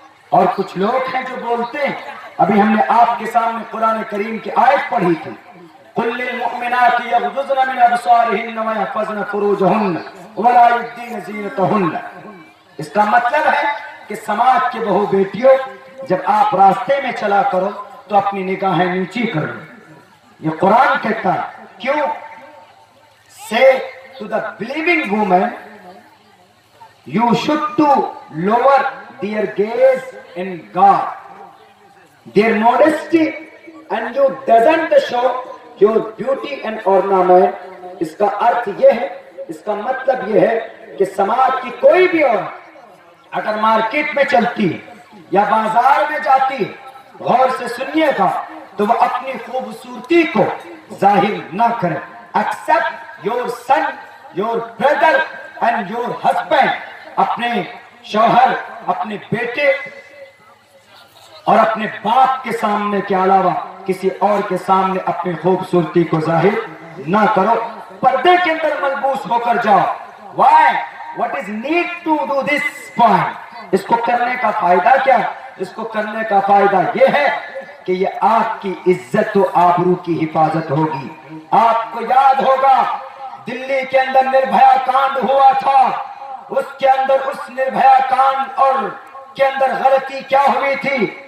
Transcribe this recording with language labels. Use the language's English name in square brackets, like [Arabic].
[Urdu] اور کچھ لوگ ہیں جو بولتے ہیں, ابھی ہم نے آپ کے سامنے قرآن کریم کی آیت پڑھی تھی, [Arabic] قل للمؤمنات يغضضن من ابصارهن ويحفظن فروجهن ولا يبدين زينتهن. [Urdu] اس کا مطلب ہے کہ سماج کے بہو بیٹیوں, جب آپ راستے میں چلا کرو تو اپنی نگاہیں نیچی کر لو. یہ قرآن کہتا ہے. کیوں؟ [English] Say to the believing woman, you should to lower their gaze in God, their modesty, and you doesn't show your beauty and ornament. [Urdu] اس کا ارتھ یہ ہے, اس کا مطلب یہ ہے کہ سماج کی کوئی بھی عورت اگر مارکیٹ میں چلتی ہے یا بازار میں جاتی ہے, غور سے سنیے گا, تو وہ اپنی خوبصورتی کو ظاہر نہ کرے. [English] Accept your son, your brother and your husband, [Urdu] اپنے شوہر, اپنے بیٹے اور اپنے باپ کے سامنے کے علاوہ کسی اور کے سامنے اپنی خوبصورتی کو ظاہر نہ کرو. پردے کے اندر ملبوس ہو کر جاؤ. [English] Why? What is need to do this point? [Urdu] اس کو کرنے کا فائدہ کیا ہے؟ اس کو کرنے کا فائدہ یہ ہے کہ یہ آپ کی عزت و آبرو کی حفاظت ہوگی. آپ کو یاد ہوگا دلی کے اندر نربھیا کانڈ ہوا تھا, اس کے اندر اس نربھیا کانڈ اور کے اندر غلطی کیا ہوئی تھی.